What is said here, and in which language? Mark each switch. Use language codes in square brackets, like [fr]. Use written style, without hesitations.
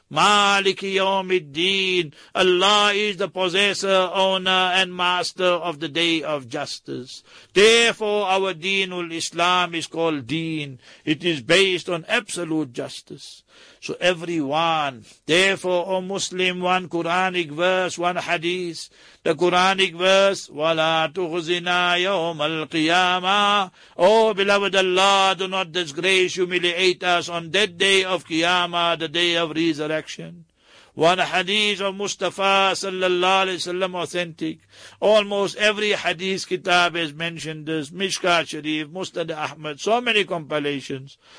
[en] Maliki Yawmiddin, Allah is the possessor, owner and master of the day of justice. Therefore our Deenul Islam is called Deen. It is based on absolute justice. So everyone, therefore, O Muslim, one Quranic verse, one hadith. The Quranic verse, [ar] وَلَا تُخْزِنَا يَوْمَ الْقِيَامَةِ. [en] O beloved Allah, do not disgrace, humiliate us on that day of Qiyamah, the day of resurrection. One hadith of Mustafa sallallahu alayhi wa sallam, authentic. Almost every hadith kitab has mentioned this. Mishkat Sharif, Mustad Ahmad, so many compilations.